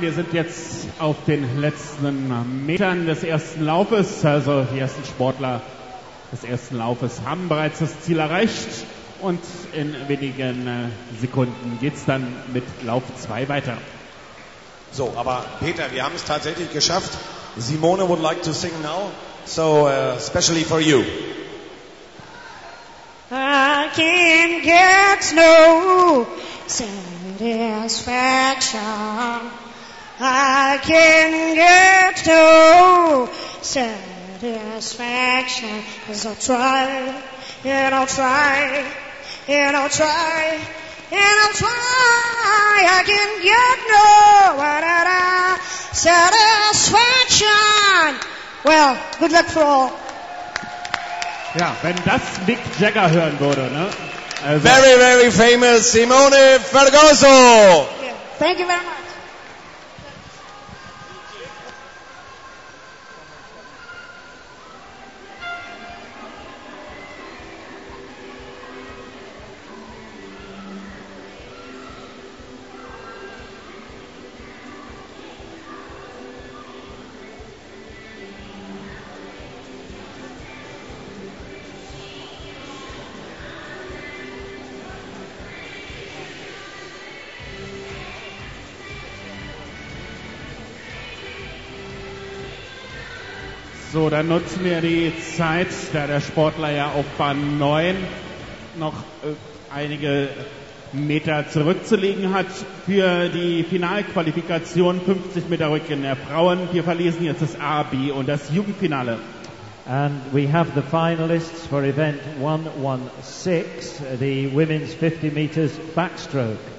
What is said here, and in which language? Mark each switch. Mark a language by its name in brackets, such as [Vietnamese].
[German] Wir sind jetzt auf den letzten Metern des ersten Laufes. Also die ersten Sportler des ersten Laufes haben bereits das Ziel erreicht. Und in wenigen Sekunden geht es dann mit Lauf 2 weiter. So, aber Peter, wir haben es tatsächlich geschafft. [English] Simone would like to sing now, so especially for you. I can't get no satisfaction. I can't get no satisfaction. Cause I'll try, and I'll try, and I'll try. And I'll try, I can get no satisfaction. Well, good luck for all. [German] Ja, wenn das Mick Jagger hören würde, ne? [English] Also. Very, very famous Simone Fergoso. Thank you very much. [German] So, dann nutzen wir die Zeit, da der Sportler ja auf Bahn 9 noch einige Meter zurückzulegen hat für die Finalqualifikation 50 Meter Rücken der Frauen. Wir verlesen jetzt das A, B und das Jugendfinale. [English] And we have the finalists for event 116, the women's 50 meters backstroke.